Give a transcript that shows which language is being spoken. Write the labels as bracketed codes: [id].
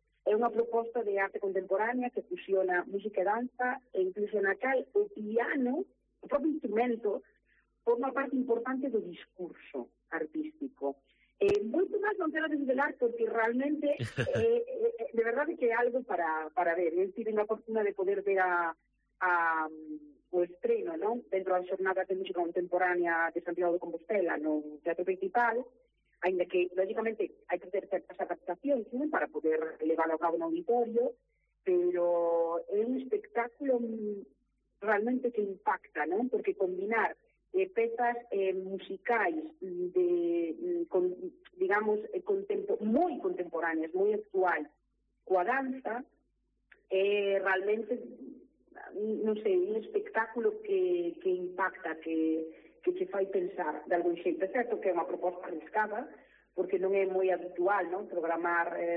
[gl] É unha proposta de arte contemporánea que fusiona música e danza, e incluso na cal o piano, o propio instrumento, forma parte importante do discurso artístico. Moito máis non quero desvelar, porque realmente, de verdade, que é algo para ver. Eu tive a fortuna de poder ver o estreno, non? Dentro das xornadas de música contemporánea de Santiago de Compostela, no Teatro Principal, ainda que, lógicamente, hai que ter certas adaptacións, non? Para poder levar a cabo no auditorio, [es] pero es un espectáculo realmente que impacta, ¿no? Porque combinar pezas musicales de con, digamos, muy contemporáneas, muy actuales, coa danza, realmente, no sé, un espectáculo que impacta, [gl] que te fai pensar de algún xeito. É certo que é unha proposta arriscada, porque non é moi habitual, ¿no?, programar,